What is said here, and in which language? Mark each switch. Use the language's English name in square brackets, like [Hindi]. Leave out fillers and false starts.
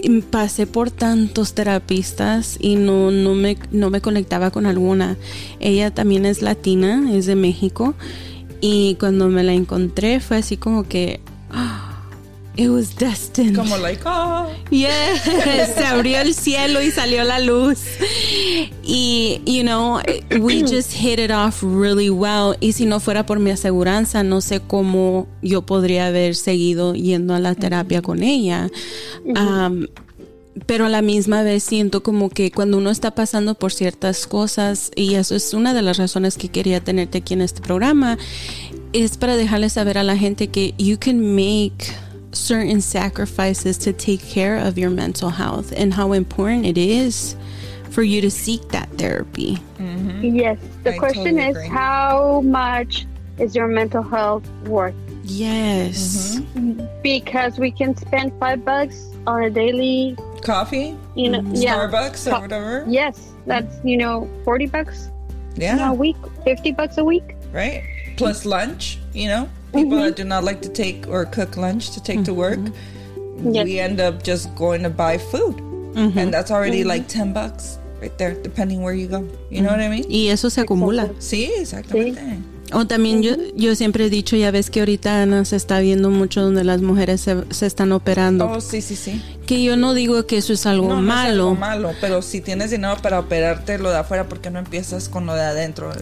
[Spanish] Pasé por tantos terapistas y no me conectaba con alguna. Ella también es latina, es de México. Y cuando me la encontré fue así como que, [English] It was destined. [Spanish] Como [English] like, oh. Yes. [Spanish] Se abrió el cielo y salió la luz. [English] Y, you know, we just hit it off really well. [Spanish] Y si no fuera por mi aseguranza, no sé cómo yo podría haber seguido yendo a la terapia con ella. Pero a la misma vez siento como que cuando uno está pasando por ciertas cosas, y eso es una de las razones que quería tenerte aquí en este programa, es para dejarle saber a la gente que [English] you can make certain sacrifices to take care of your mental health and how important it is for you to seek that therapy. Mm-hmm. Yes. The question is, how much is your mental health worth? Yes. Mm-hmm. Because we can spend $5 on a daily coffee, you know, Starbucks or whatever. Yes. That's, you know, $40 yeah, a week, $50 a week. Right. Plus lunch, you know. People mm-hmm. that do not like to take or cook lunch to take mm-hmm. to work, yes. we end up just going to buy food. Mm-hmm. And that's already mm-hmm. like $10 right there, depending where you go. You mm-hmm. know what I mean? [Spanish] Y eso se acumula. Sí, exactamente. Sí. O también mm-hmm. yo siempre he dicho, ya ves que ahorita Ana se está viendo mucho donde las mujeres se están operando. Oh, sí, sí, sí. Que yo no digo que eso es algo malo. No, no es algo malo, pero si tienes dinero para operarte lo de afuera, ¿por qué no empiezas con lo de adentro?